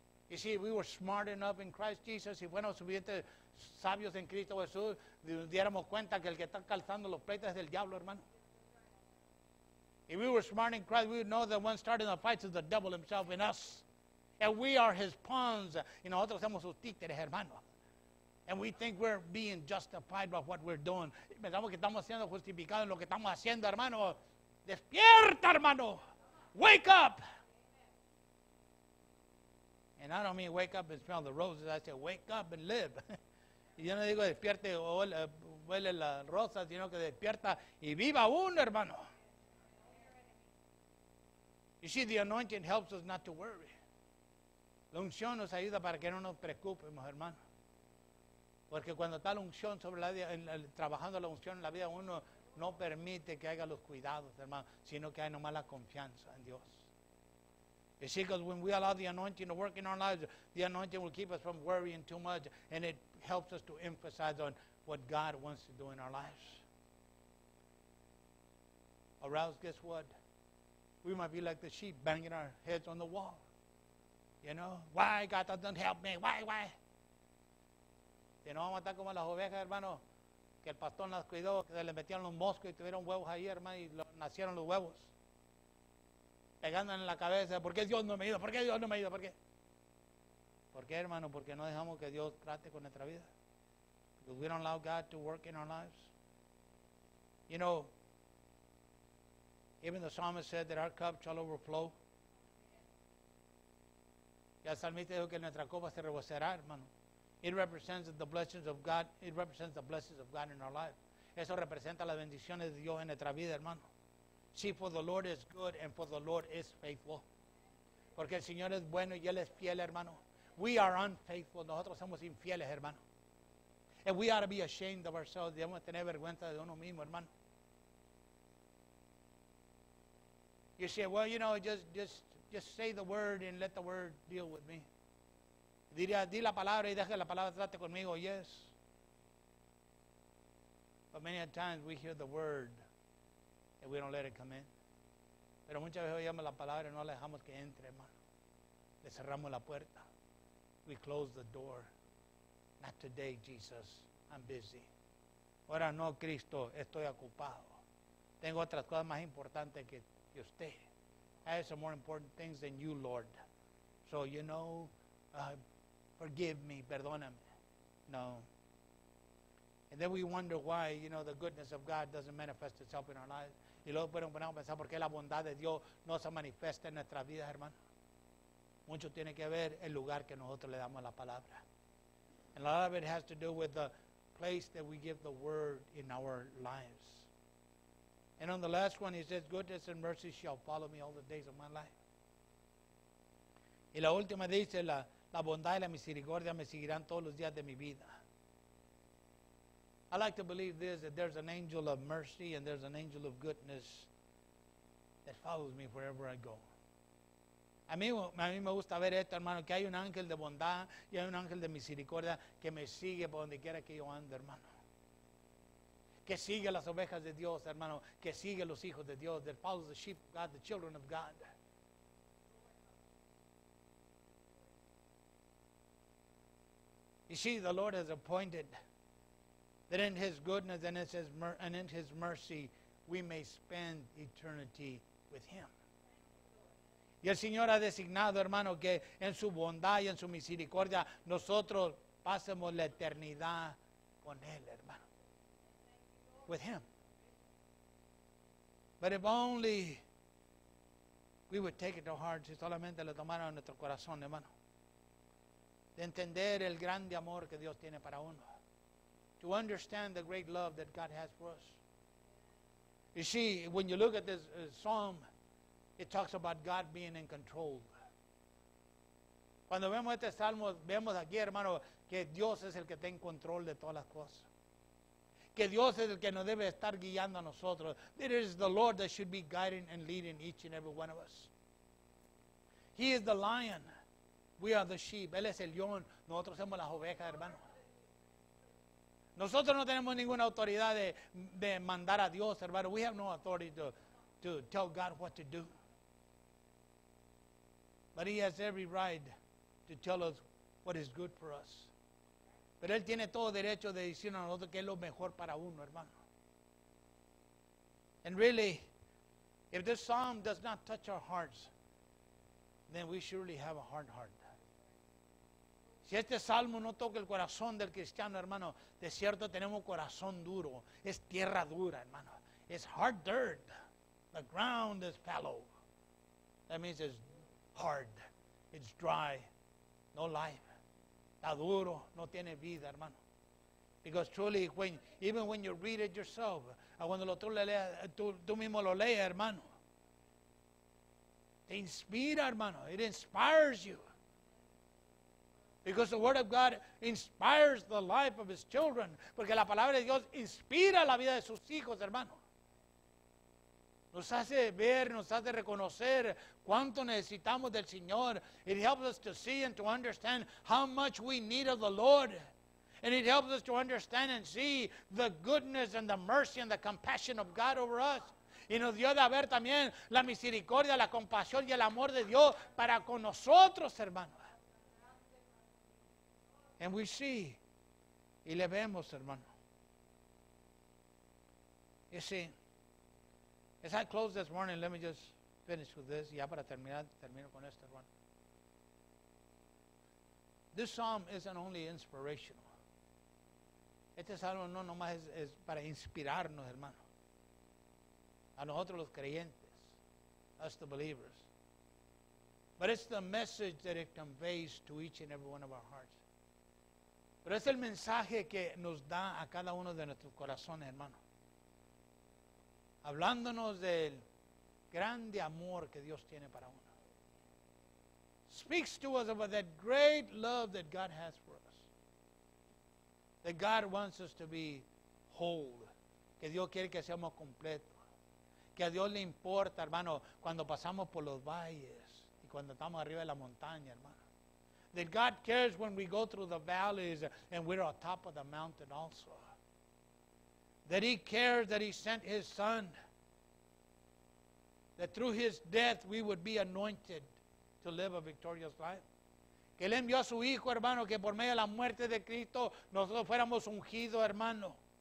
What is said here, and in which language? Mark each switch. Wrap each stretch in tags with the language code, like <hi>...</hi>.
<en>You see, if we were smart enough in Christ Jesus,</en> <es>si fuéramos suficientes sabios en Cristo Jesús, diéramos cuenta que el que está calzando los pleitos es del diablo, hermano.</es> <en>If we were smart in Christ, we would know that one starting the fights is the devil himself in us. And we are his pawns.</en> <es>Y nosotros somos sus títeres, hermano.</es> <en>And we think we're being justified by what we're doing.</en> <es>Pensamos que estamos siendo justificados en lo que estamos haciendo, hermano. Despierta, hermano.</es> <en>Wake up. And I don't mean wake up and smell the roses. I say wake up and live.</en> <es>Y yo no digo despierte o huele las rosas, sino que despierta y viva uno, hermano.</es> <en>You see, the anointing helps us not to worry.</en> <es>La unción nos ayuda para que no nos preocupemos, hermano. Porque cuando está la unción sobre la vida, trabajando la unción en la vida, uno no permite que haga los cuidados, hermano, sino que hay nomás la confianza en Dios.</es> <en>You see, because when we allow the anointing to work in our lives, the anointing will keep us from worrying too much, and it helps us to emphasize on what God wants to do in our lives. Arouse, guess what? We might be like the sheep banging our heads on the wall. You know, why God doesn't help me? Why?</en> <es>Y no vamos a estar como las ovejas, hermano, que el pastor las cuidó, que se le metieron los moscos y tuvieron huevos ahí, hermano, y nacieron los huevos. Pegándole en la cabeza, ¿por qué Dios no me ha ido? ¿Por qué Dios no me ha ido? ¿Por qué? ¿Por qué, hermano? Porque no dejamos que Dios trate con nuestra vida.</es> <en>Because we don't allow God to work in our lives. You know, even the psalmist said that our cup shall overflow.</en> <es>Ya el salmista dijo que nuestra copa se rebosará, hermano.</es> <en>It represents the blessings of God. It represents the blessings of God in our life.</en> <es>Eso representa las bendiciones de Dios en nuestra vida, hermano.</es> <en>See, for the Lord is good and for the Lord is faithful.</en> <es>Porque el Señor es bueno y Él es fiel, hermano.</es> <en>We are unfaithful.</en> <es>Nosotros somos infieles, hermano.</es> <en>And we ought to be ashamed of ourselves.</en> <es>Debemos tener vergüenza de uno mismo, hermano.</es> <en>You say, well, you know, just say the word and let the word deal with me.</en> <es>Diría, di la palabra y deja que la palabra trate conmigo.</es> <en>Yes. But many a times we hear the word and we don't let it come in.</en> <es>Pero muchas veces oímos la palabra y no la dejamos que entre, hermano. Le cerramos la puerta.</es> <en>We close the door. Not today, Jesus. I'm busy.</en> <es>Ahora no, Cristo. Estoy ocupado. Tengo otras cosas más importantes que usted.</es> <en>I have some more important things than you, Lord. So, you know, forgive me,</en> <es>perdóname.</es> <en>No. And then we wonder why, you know, the goodness of God doesn't manifest itself in our lives.</en> <es>Y luego podemos pensar por qué la bondad de Dios no se manifiesta en nuestras vidas, hermano. Mucho tiene que ver el lugar que nosotros le damos a la palabra.</es> <en>And a lot of it has to do with the place that we give the word in our lives. And on the last one, he says, goodness and mercy shall follow me all the days of my life.</en> <es>Y la última dice, la bondad y la misericordia me seguirán todos los días de mi vida.</es> <en>I like to believe this, that there's an angel of mercy and there's an angel of goodness that follows me wherever I go.</en> <es>A mí me gusta ver esto, hermano, que hay un ángel de bondad y hay un ángel de misericordia que me sigue por donde quiera que yo ande, hermano. Que sigue las ovejas de Dios, hermano. Que sigue los hijos de Dios.</es> <en>That follows the sheep of God, the children of God. You see, the Lord has appointed that in his goodness and in his mercy we may spend eternity with him.</en> <es>Y el Señor ha designado, hermano, que en su bondad y en su misericordia nosotros pasemos la eternidad con él, hermano.</es> <en>With him. But if only we would take it to heart,</en> <es>si solamente lo tomara en nuestro corazón, hermano. De entender el grande amor que Dios tiene para uno.</es> <en>To understand the great love that God has for us. You see, when you look at this psalm, it talks about God being in control.</en> <es>Cuando vemos este salmo, vemos aquí, hermano, que Dios es el que está en control de todas las cosas. Que Dios es el que nos debe estar guiando a nosotros.</es> <en>It is the Lord that should be guiding and leading each and every one of us. He is the lion. We are the sheep.</en> <es>Él es el león. Nosotros somos las ovejas, hermano. Nosotros no tenemos ninguna autoridad de mandar a Dios, hermano.</es> <en>We have no authority to tell God what to do. But he has every right to tell us what is good for us.</en> <es>Pero él tiene todo derecho de decir a nosotros que es lo mejor para uno, hermano.</es> <en>And really, if this psalm does not touch our hearts, then we surely have a hard heart.</en> <es>Si este salmo no toca el corazón del cristiano, hermano, de cierto tenemos corazón duro. Es tierra dura, hermano.</es> <en>It's hard dirt. The ground is fallow. That means it's hard. It's dry. No life.</en> <es>Está duro. No tiene vida, hermano.</es> <en>Because truly, even when you read it yourself,</en> <es>cuando lo, tú mismo lo lees, hermano, te inspira, hermano.</es> <en>It inspires you. Because the word of God inspires the life of his children.</en> <es>Porque la palabra de Dios inspira la vida de sus hijos, hermano. Nos hace ver, nos hace reconocer cuánto necesitamos del Señor.</es> <en>It helps us to see and to understand how much we need of the Lord. And it helps us to understand and see the goodness and the mercy and the compassion of God over us.</en> <es>Y nos dio de haber también la misericordia, la compasión y el amor de Dios para con nosotros, hermano.</es> <en>And we see,</en> <es>y le vemos, hermano.</es> <en>You see, as I close this morning, let me just finish with this.</en> <es>Ya para terminar, termino con esto, hermano.</es> <en>This psalm isn't only inspirational.</en> <es>Este salmo no nomás es para inspirarnos, hermano. A nosotros los creyentes,</es> <en>us the believers. But it's the message that it conveys to each and every one of our hearts.</en> <es>Pero es el mensaje que nos da a cada uno de nuestros corazones, hermano. Hablándonos del grande amor que Dios tiene para uno.</es> <en>Speaks to us about that great love that God has for us. That God wants us to be whole.</en> <es>Que Dios quiere que seamos completos. Que a Dios le importa, hermano, cuando pasamos por los valles y cuando estamos arriba de la montaña, hermano.</es> <en>That God cares when we go through the valleys and we're on top of the mountain also. That he cares that he sent his son. That through his death we would be anointed to live a victorious life.</en> <es>Que él envió a su hijo, hermano, que por medio de la muerte de Cristo nosotros fuéramos ungidos, hermano.</es>